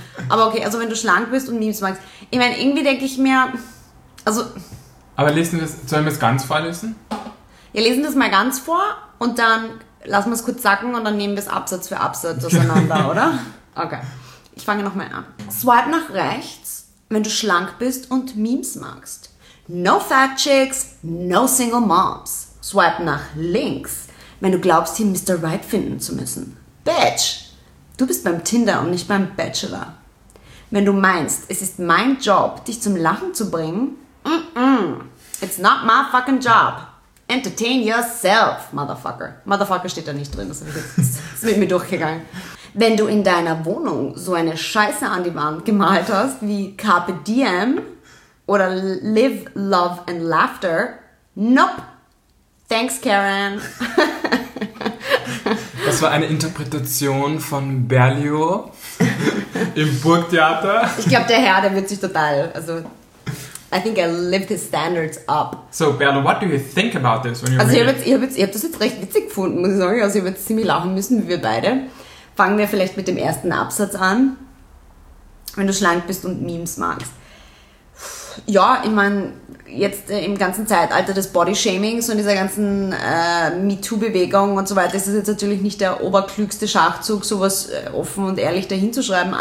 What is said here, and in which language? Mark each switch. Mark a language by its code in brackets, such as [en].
[de] Aber okay, also wenn du schlank bist und Memes magst. Ich meine, irgendwie denke ich mir, also... Aber lesen wir es, sollen wir es ganz vorlesen? Ja, lesen wir es mal ganz vor und dann lassen wir es kurz sacken und dann nehmen wir es Absatz für Absatz auseinander, oder? Okay, ich fange nochmal an. Swipe nach rechts, wenn du schlank bist und Memes magst. [en] No fat chicks, no single moms. [de] Swipe nach links, wenn du glaubst, hier Mr. Right finden zu müssen. Bitch, du bist beim Tinder und nicht beim Bachelor. Wenn du meinst, es ist mein Job, dich zum Lachen zu bringen, [en] it's not my fucking job. [de] Entertain yourself, motherfucker. Motherfucker steht da nicht drin, das ist mit mir durchgegangen. Wenn du in deiner Wohnung so eine Scheiße an die Wand gemalt hast wie Carpe Diem, oder Live, Love and Laughter? [en] Nope. Thanks, Karen. [de] Das war eine Interpretation von Berlio im Burgtheater. Ich glaube, der Herr, der wird sich total... [en] Also, I think I lived his standards up. So, Berlo, what do you think about this? [de] When also, ich hab das jetzt recht witzig gefunden, muss ich sagen. Also, ich habe jetzt ziemlich lachen müssen, wie wir beide. Fangen wir vielleicht mit dem ersten Absatz an. Wenn du schlank bist und Memes magst. Ja, ich meine, jetzt im ganzen Zeitalter des Body-Shamings und dieser ganzen MeToo-Bewegung und so weiter, ist es jetzt natürlich nicht der oberklügste Schachzug, sowas offen und ehrlich dahin zu schreiben.